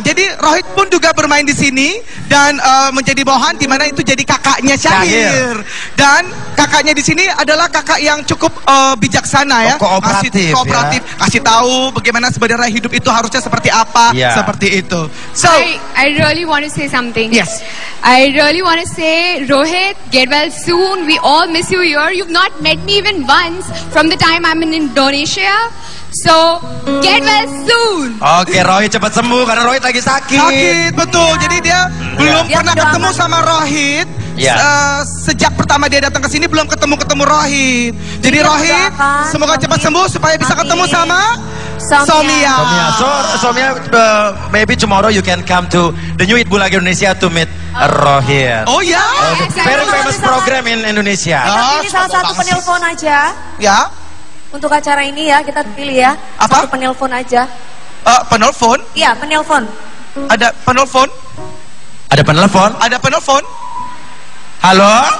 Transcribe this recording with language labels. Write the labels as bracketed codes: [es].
[id] Jadi Rohit pun juga bermain di sini dan menjadi Mohan, di mana itu jadi kakaknya Syahir. Dan kakaknya di sini adalah kakak yang cukup bijaksana ya. Kooperatif. Kasih tahu bagaimana sebenarnya hidup itu harusnya seperti apa, seperti itu. [en] So, I really want to say something. Yes. I really want to say, Rohit, get well soon. We all miss you here. You've not met me even once from the time I'm in Indonesia. So, get well soon. [id] Okay, Rohit cepat sembuh karena Rohit lagi sakit. Sakit, betul. Yeah. Jadi dia belum pernah ketemu sama Rohit. Sejak pertama dia datang ke sini belum ketemu Rohit. Jadi Rohit, semoga cepat sembuh supaya bisa ketemu sama Somia. [en] Somia, maybe tomorrow you can come to the New It Bulaga Indonesia to meet Rohit. [id] Oh ya? [en] Very famous program in Indonesia. [id] Ini salah satu penelpon aja. Ya. Untuk acara ini ya kita pilih ya. Apa? Satu penelpon aja. Penelpon? Iya, penelpon. Ada penelpon? Ada penelpon? Ada penelpon? Halo?